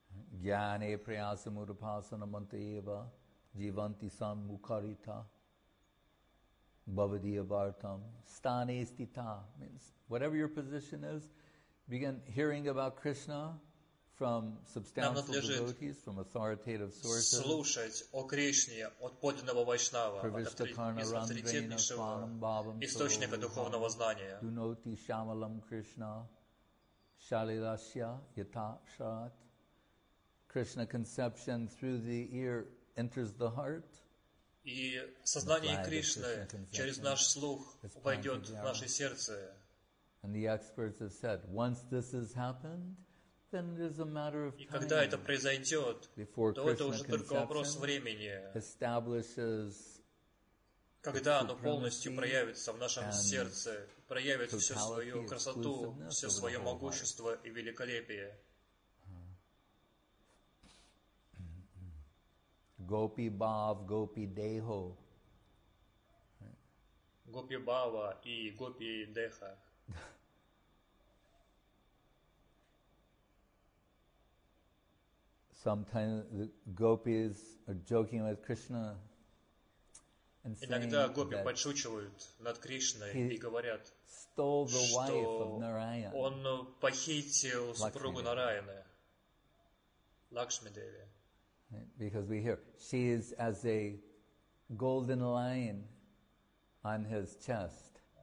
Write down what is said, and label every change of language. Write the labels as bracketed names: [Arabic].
[Sanskrit] Гьяне Прияса Мурупасана Мантеева Дживанти Сан Мукарита Bhavadiya Vartam, Stane Stita, [English] means whatever your position is, begin hearing about Krishna from substantial devotees, from authoritative sources. [Russian] Слушать о Кришне от подлинного вайшнава, от авторитетнейшего источника духовного знания. [Sanskrit] Дуноти Шамалам Кришна, Шалилашья, Ята, Шарат. [English] Krishna conception through the ear enters the heart. [Russian] И сознание Кришны через наш слух войдет в наше сердце. [English] And the experts have said, once this has happened, then it is a matter of time. [Russian] И когда это произойдет, то это уже только вопрос времени, [English] establishes [Russian] когда оно полностью проявится в нашем сердце, проявит всю свою красоту, все свое могущество и великолепие. [Sanskrit] Gopi Bhav, Gopi Deho. [Russian] Gopi Bhava и Gopi Deha. [English] Sometimes the gopis are joking with Krishna and saying [Russian] иногда гопи подшучивают над Кришной и говорят, [English] stole the wife of Narayana. [Russian] Он похитил супругу Нараяны. Лакшми Деви. [English] Because we hear she is as a golden lion on his chest.